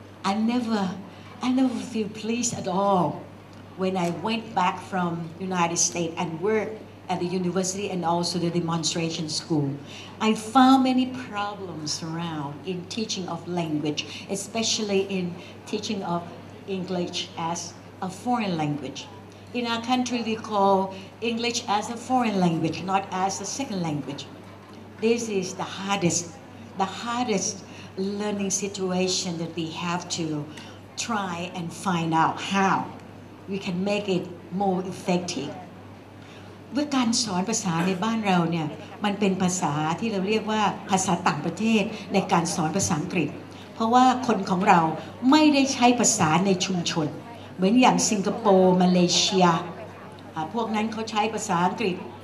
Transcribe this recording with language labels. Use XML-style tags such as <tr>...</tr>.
<en>I never feel pleased at all when I went back from United States and worked at the university and also the demonstration school I found many problems around in teaching of language especially in teaching of English as a foreign languageIn our country, we call English as a foreign language, not as a second language. This is the hardest learning situation that we have to try and find out how we can make it more effective.</en> <th>วิธีการสอนภาษาในบ้านเราเนี่ยมันเป็นภาษาที่เราเรียกว่าภาษาต่างประเทศในการสอนภาษาอังกฤษเพราะว่าคนของเราไม่ได้ใช้ภาษาในชุมชนเหมือนอย่างสิงคโปร์มาเลเซียพวกนั้นเขาใช้ภาษาอังกฤษ</th>